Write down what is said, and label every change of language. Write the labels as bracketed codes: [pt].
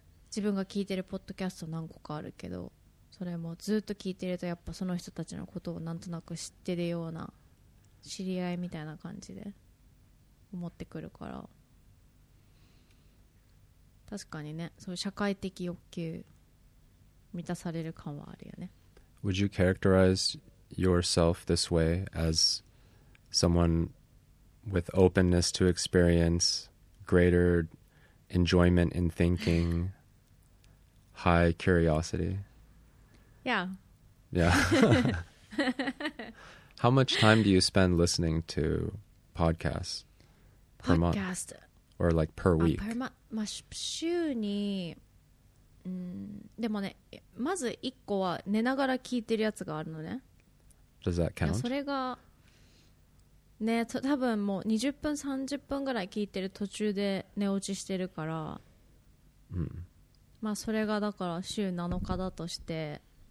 [ja] 自分が聞いてるポッドキャスト何個かあるけど、それもずっと聞いてるとやっぱその人たちのことをなんとなく知ってるような知り合いみたいな感じで思ってくるから、確かにね、そういう社会的欲求満たされる感はあるよね。 [en] Would you characterize yourself this way as someone with openness to experienceGreater enjoyment in thinking, high curiosity. Yeah. Yeah. How much time do you spend listening to podcasts per month? Podcast. Or like per week? Per month. [ja] まあ週に、でもね、まず一個は寝ながら聞いてるやつがあるのね。 [en] Does that count? [ja] それがね、多分もう20分30分ぐらい聞いてる途中で寝落ちしてるから、まあそれがだから週7日だとして、